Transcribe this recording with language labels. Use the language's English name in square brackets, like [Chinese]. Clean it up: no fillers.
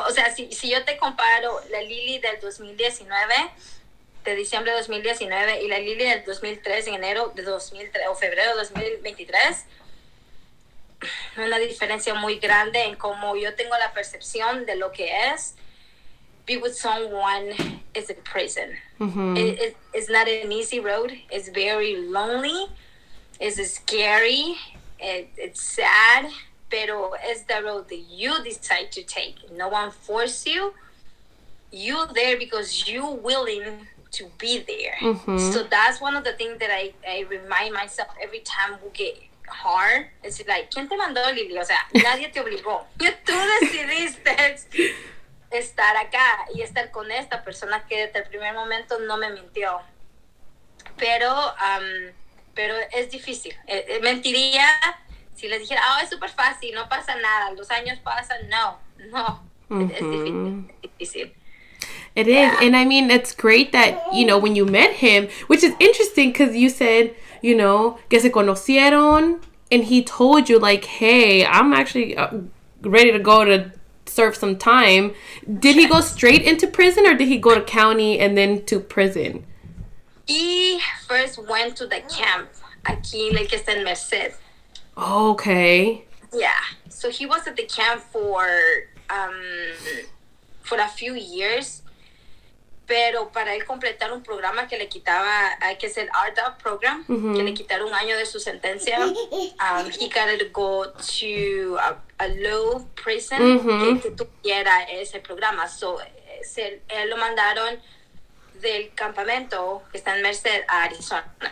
[Spanish] O sea, si yo te comparo la Lily del 2019, de diciembre de 2019, y la Lily del 2003, en enero de 2003, o febrero de 2023, una diferencia muy grande en cómo yo tengo la percepción de lo que es [English] be with someone is a prison. Mm-hmm. It's not an easy road, it's very lonely. It's scary, it's sad, pero it's the road that you decide to take. No one forced you. You're there because you're willing to be there. Mm-hmm. So that's one of the things that I remind myself every time we get hard. It's like, [Spanish] ¿quién te mandó, Lily? O sea, nadie te obligó. Tú decidiste estar acá y estar con esta persona que desde el primer momento no me mintió. Pero... pero es difícil. Mentiría si les dijera, oh, es súper fácil, no pasa nada, los años pasan. No. Mm-hmm. Es difícil. [English] It is. And I mean, it's great that, you know, when you met him, which is interesting because you said, you know, [Spanish] que se conocieron [English] and he told you, like, hey, I'm actually ready to go to serve some time. Did he go straight into prison or did he go to county and then to prison? He first went to the camp aquí, like, in Merced. Okay. Yeah. So he was at the camp for a few years. [Spanish] Pero para él completar un programa que le quitaba, que es el RDOP program, mm-hmm. que le quitaron un año de su sentencia, [English] he got to go to a low prison mm-hmm. [Spanish] que tuviera ese programa. So él lo mandaron del campamento que está en Merced, Arizona.